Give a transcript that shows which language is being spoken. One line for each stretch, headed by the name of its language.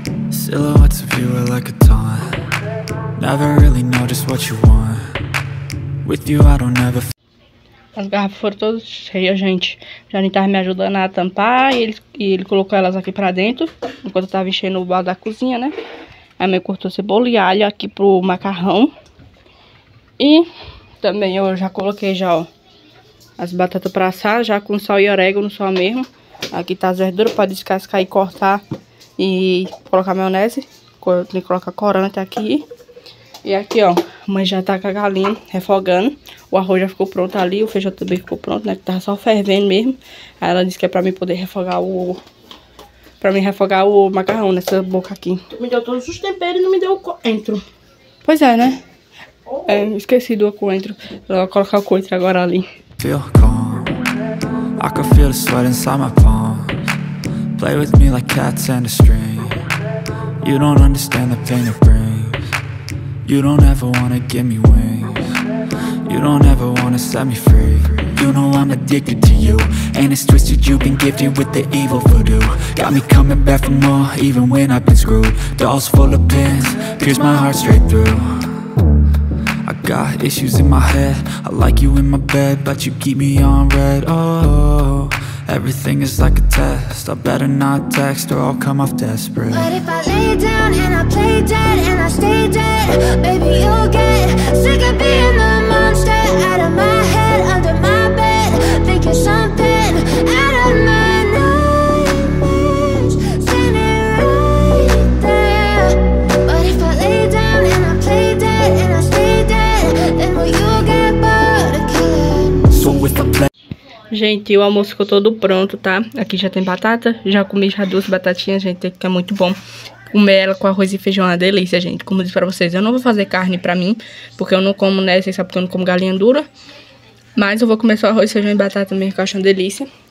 English: Silhouettes of you are like a taunt. Never really know just what you want. With you I don't ever.
Portuguese: As garrafas foram todas cheias, gente. Já nem tava me ajudando a tampar e ele colocou elas aqui pra dentro. Enquanto eu tava enchendo o balde da cozinha, né? A mãe cortou cebola e alho aqui pro macarrão. E também eu já coloquei já, ó, as batatas pra assar, já com sal e orégano só mesmo. Aqui tá as verduras pra descascar e cortar. E colocar maionese, tem que colocar corante aqui. E aqui, ó, a mãe já tá com a galinha refogando. O arroz já ficou pronto ali, o feijão também ficou pronto, né? Que tava só fervendo mesmo. Aí ela disse que é pra mim poder refogar o... Pra mim refogar o macarrão nessa boca aqui. Me deu todos os temperos e não me deu o coentro. Pois é, né? Oh. É, esqueci do coentro. Ela vai colocar o coentro agora ali.
English: Feel calm. I can feel the sweat inside my palm. Play with me like cats and a string. You don't understand the pain it brings. You don't ever wanna give me wings. You don't ever wanna set me free. You know I'm addicted to you. And it's twisted, you've been gifted with the evil voodoo. Got me coming back for more, even when I've been screwed. Dolls full of pins, pierce my heart straight through. I got issues in my head. I like you in my bed, but you keep me on red. Oh, everything is like a test. I better not text or I'll come off desperate. But if I lay down and I play dead and I stay dead, baby, you'll get sick of being the monster. Out of my head, under my bed, thinking something out of my nightmares. Sitting right there. But if I lay down and I play dead and I stay dead, then will you get bored of killing me? So with the play.
Portuguese: Gente, o almoço ficou todo pronto, tá? Aqui já tem batata. Já comi já duas batatinhas, gente, que é muito bom. Comer ela com arroz e feijão é uma delícia, gente. Como eu disse pra vocês, eu não vou fazer carne pra mim, porque eu não como, né? Vocês sabem que eu não como galinha dura. Mas eu vou comer só arroz, feijão e batata mesmo, que eu acho uma delícia.